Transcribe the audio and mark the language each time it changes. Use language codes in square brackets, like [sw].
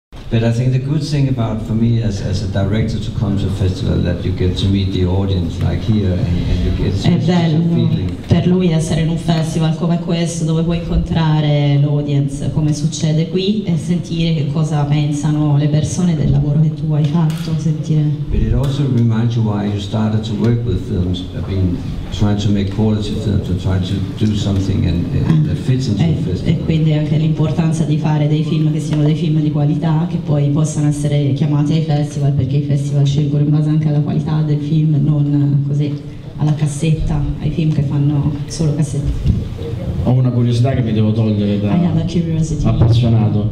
[en] But I think the good thing about for me as a director to come to a festival that you get to meet the audience like here and you get such a feeling. [it] Per lui essere in un festival come questo dove puoi incontrare l'audience come succede qui e sentire che cosa pensano le persone del lavoro che tu hai fatto, sentire. [en] But it also reminds you why you started to work with films, being, trying to make quality films and trying to do something and that fits into the festival. [it] E quindi anche l'importanza di fare dei film che siano dei film di qualità, che poi possano essere chiamati ai festival, perché i festival scelgono in base anche alla qualità del film, non così alla cassetta, ai film che fanno solo cassetta. Ho una curiosità che mi devo togliere da appassionato.